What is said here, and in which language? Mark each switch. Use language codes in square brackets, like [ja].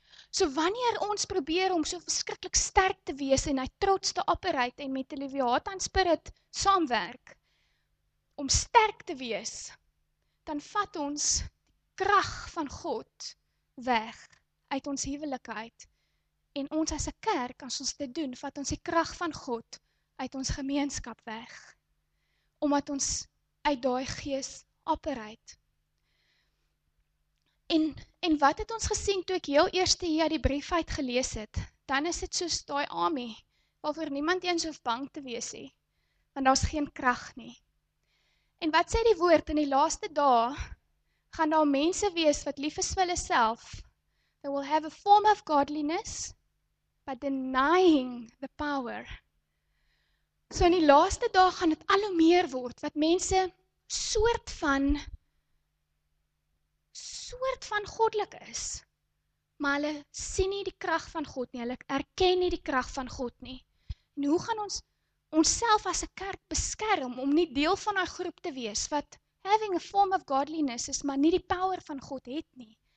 [af] So wanneer ons probeer om so verskriklik sterk te wees en hy trots te operate en met die Leviathan spirit saamwerk, om sterk te wees, dan vat ons die krag van God weg uit ons huwelike uit. En ons as 'n kerk, as ons dit doen, vat ons die krag van God uit ons gemeenskap weg. Omdat ons uit daai gees operate. En wat het ons gesien toe ek heel eerste hier die brief uit gelees het? Dan is dit soos daai army, waarvoor niemand eens hoef bang te wees nie. Want daar's geen krag nie. En wat sê die woord? In die laaste dae gaan daar mense wees wat lief is vir hulle self. [en] They will have a form of godliness, but denying the power. [af] So in die laaste dae gaan dit al hoe meer word, wat mense soort van goddelik is, maar hulle sien nie die krag van God nie, hulle erken nie die krag van God nie. En hoe gaan ons onsself as 'n kerk beskerm om nie deel van 'n groep te wees, wat [en] having a form of godliness [af] is, maar nie die power van God het nie?